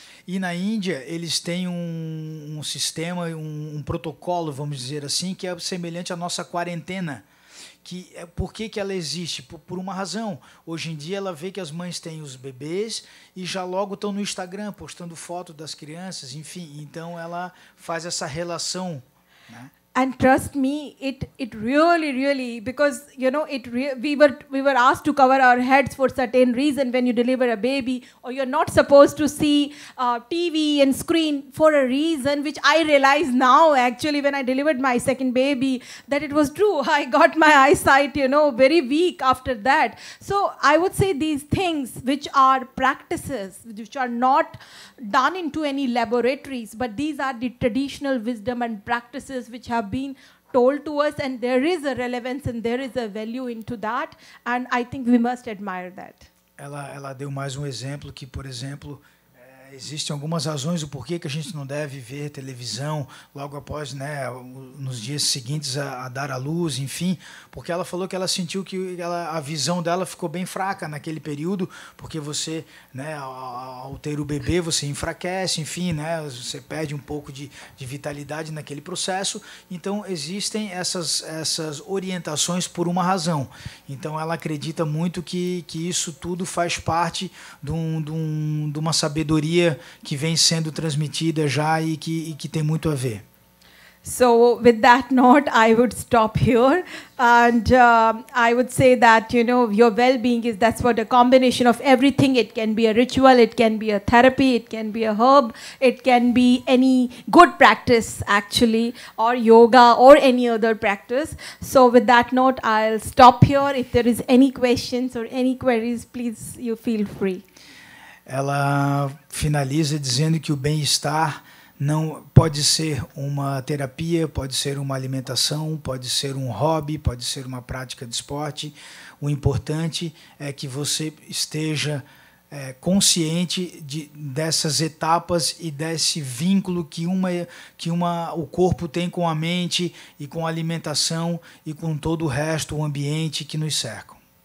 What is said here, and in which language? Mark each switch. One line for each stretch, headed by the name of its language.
Portuguese: E na Índia, eles têm um sistema, um protocolo, vamos dizer assim, que é semelhante à nossa quarentena. Que é, por que, que ela existe? Por uma razão. Hoje em dia, ela vê que as mães têm os bebês e já logo estão no Instagram postando foto das crianças, enfim. Então, ela faz essa relação, né?
English: And trust me, it really, really, because, you know, we were asked to cover our heads for certain reason when you deliver a baby, or you're not supposed to see TV and screen for a reason, which I realize now, actually, when I delivered my second baby, that it was true. I got my eyesight, you know, very weak after that. So I would say these things, which are practices, which are not done into any laboratories, but these are the traditional wisdom and practices which have been told to us, and there is a relevance and there is a value into that, and I think we must admire that.
Portuguese: Ela deu mais um exemplo que, por exemplo, existem algumas razões do porquê que a gente não deve ver televisão logo após, né, nos dias seguintes a dar à luz, enfim, porque ela falou que ela sentiu que a visão dela ficou bem fraca naquele período, porque você, né, ao ter o bebê, você enfraquece, enfim, né, você perde um pouco de vitalidade naquele processo. Então, existem essas orientações por uma razão. Então, ela acredita muito que isso tudo faz parte de uma sabedoria que vem sendo transmitida já e que tem muito a ver.
English: So with that note, I would stop here, and I would say that, you know, your well-being is, that's what, a combination of everything. It can be a ritual, it can be a therapy, it can be a herb, it can be any good practice actually, or yoga or any other practice. So with that note, I'll stop here. If there is any questions or any queries, please, you feel free.
Portuguese: Ela finaliza dizendo que o bem-estar não pode ser uma terapia, pode ser uma alimentação, pode ser um hobby, pode ser uma prática de esporte. O importante é que você esteja consciente dessas etapas e desse vínculo que o corpo tem com a mente e com a alimentação e com todo o resto, o ambiente que nos cerca.